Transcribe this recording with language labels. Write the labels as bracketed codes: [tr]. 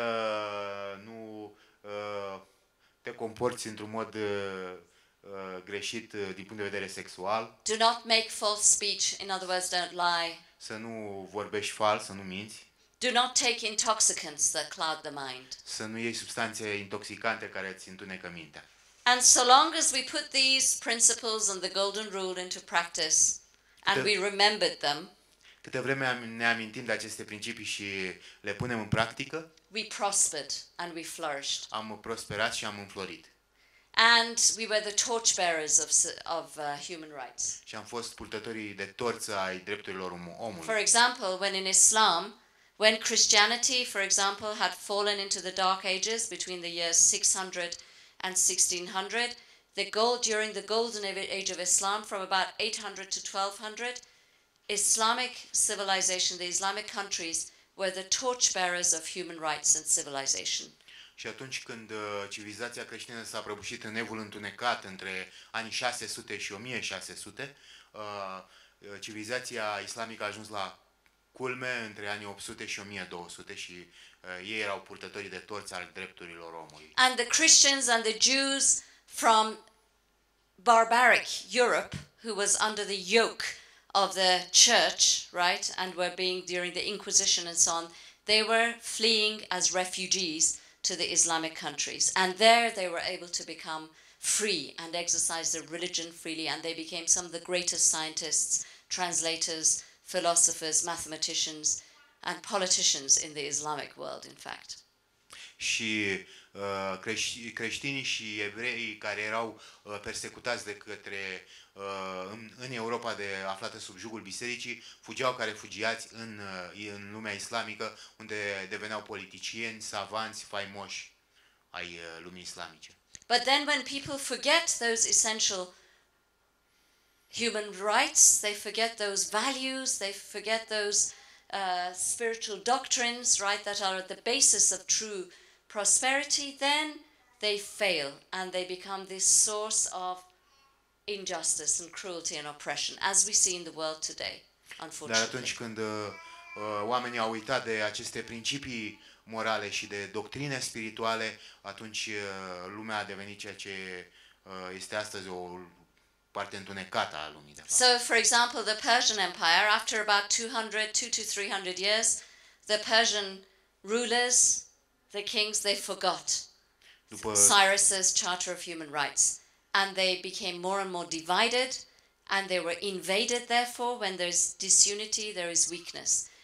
[ro] Să nu te comporți într-un mod greșit din punct de vedere sexual. [en] Do not make false speech, in other words, don't lie. [ro] Să nu vorbești fals, să nu minți. [en] Do not take intoxicants that cloud the mind. [ro] Să nu iei substanțe intoxicante care îți întunecă mintea. [en] And so long as we put these principles and the golden rule into practice and we remembered them, [ro] câte vreme ne amintim de aceste principii și le punem în practică, [en] we prospered and we flourished. [ro] Am prosperat și am înflorit. [en] And we were the torchbearers of human rights. [ro] Și am fost purtătorii de torță ai drepturilor omului. [en] For example, when in Islam, when Christianity, for example, had fallen into the dark ages between the years 600 and 1600, the gold during the golden age of Islam, from about 800 to 1200, Islamic civilization, the Islamic countries, were the torchbearers of human rights and civilization. [ro] Și atunci când civilizația creștină s-a prăbușit în evul întunecat între anii 600 și 1600, civilizația islamică a ajuns la culme între anii 800 și 1200 și ei erau purtătorii de torți al drepturilor omului. [en] And the Christians and the Jews from barbaric Europe who was under the yoke of the church, right, and were being during the Inquisition and so on, they were fleeing as refugees to the Islamic countries. And there they were able to become free and exercise their religion freely, and they became some of the greatest scientists, translators, philosophers, mathematicians, and politicians in the Islamic world, in fact. [ro] Și creștinii și evreii care erau persecutați de către în Europa de aflată sub jugul bisericii, fugeau ca refugiați în lumea islamică, unde deveneau politicieni, savanți, faimoși ai lumii islamice. [en] But then when people forget those essential human rights, they forget those values, they forget those spiritual doctrines, right, that are at the basis of true prosperity, then they fail and they become this source of injustice and cruelty and oppression, as we see in the world today, unfortunately. [ro] Dar atunci când oamenii au uitat de aceste principii morale și de doctrine spirituale, atunci lumea a devenit ceea ce este astăzi, o parte întunecată a lumii, de fapt. [en] So, for example, the Persian Empire, after about 200 to 300 years, the Persian rulers, the kings, they forgot Cyrus's Charter of Human Rights, and they became more and more divided, and they were invaded, therefore, when there's disunity, there is weakness.